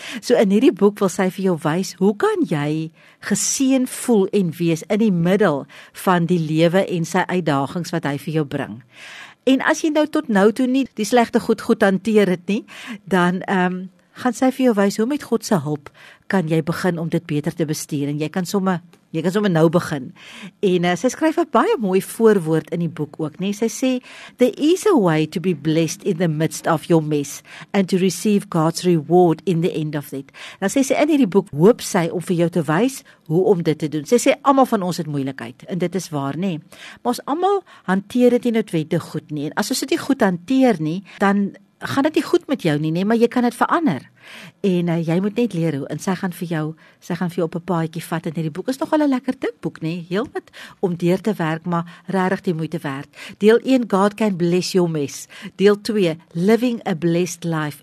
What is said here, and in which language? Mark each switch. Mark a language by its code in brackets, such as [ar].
[af] So in hierdie boek wil sy vir jou wys, hoe kan jy geseën voel en wees in die middel van die lewe en sy uitdagings wat hy vir jou bring. En as jy nou tot nou toe nie die slegte goed hanteer het nie, dan gaan sy vir jou wys, hoe met God se hulp kan jy begin om dit beter te bestuur en jy kan sommer nou begin. En sy skryf 'n baie mooi voorwoord in die boek ook, nê? Sy sê, [en] "The easy way to be blessed in the midst of your mess and to receive God's reward in the end of it." [af] Nou sy sê in hierdie boek hoop sy om vir jou te wys hoe om dit te doen. Sy sê almal van ons het moeilikheid en dit is waar, nê? Maar ons almal hanteer dit nie noodwendig goed nie. En as ons dit nie goed hanteer nie, dan gaan dit nie goed met jou nie, maar jy kan dit verander. En jy moet net leer hoe, en sy gaan vir jou op 'n paadjie vat in hierdie boek. Is nogal 'n lekker dik boek, nê? Heel wat om deur te werk, maar regtig die moeite werd. Deel 1, [en] God can bless your mess. [af] Deel 2, [en] living a blessed life.